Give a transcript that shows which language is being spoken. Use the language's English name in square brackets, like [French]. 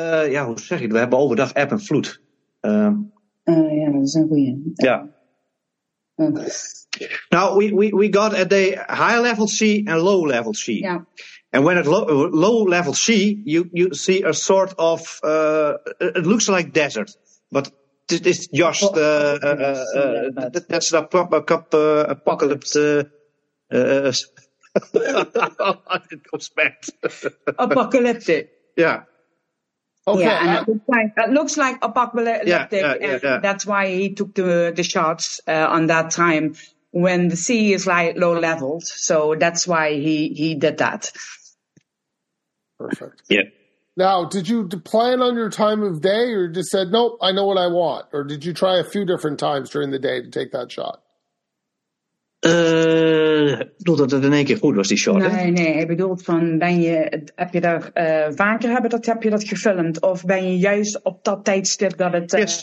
[Dutch] Ja, hoe zeg je? We hebben overdag eb en vloed. Dat is een goeie. Ja. [English] Now we got at the high level sea and low level sea. Yeah. And when at low level sea, you see a sort of it looks like desert, but it's just that's a proper apocalypse. it comes back. Apocalyptic. Yeah. Okay. Yeah, and it looks like apocalyptic. Yeah. That's why he took the shots on that time when the sea is like low leveled. So that's why he did that. Perfect. Yeah. Now, did you plan on your time of day or just said, nope, I know what I want? Or did you try a few different times during the day to take that shot? [Dutch] Bedoel dat het in één keer goed was, die shot? Nee. Hij bedoelt van, heb je dat gefilmd? Of ben je juist op dat tijdstip dat het...